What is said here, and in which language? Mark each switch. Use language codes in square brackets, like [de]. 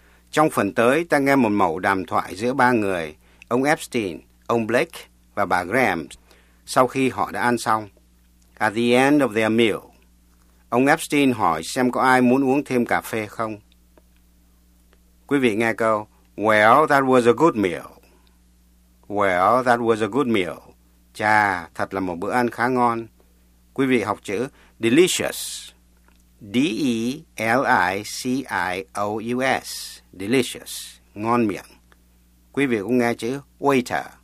[vi] Trong phần tới, ta nghe một mẩu đàm thoại giữa ba người, ông Epstein, ông Blake và bà Graham, sau khi họ đã ăn xong. [en] At the end of their meal, [vi] ông Epstein hỏi xem có ai muốn uống thêm cà phê không. Quý vị nghe câu, [en] well, that was a good meal. Well, that was a good meal. [vi] Chà, thật là một bữa ăn khá ngon. Quý vị học chữ delicious. [en] D-E-L-I-C-I-O-U-S. Delicious. Ngon miệng. [vi] Quý vị cũng nghe chữ waiter.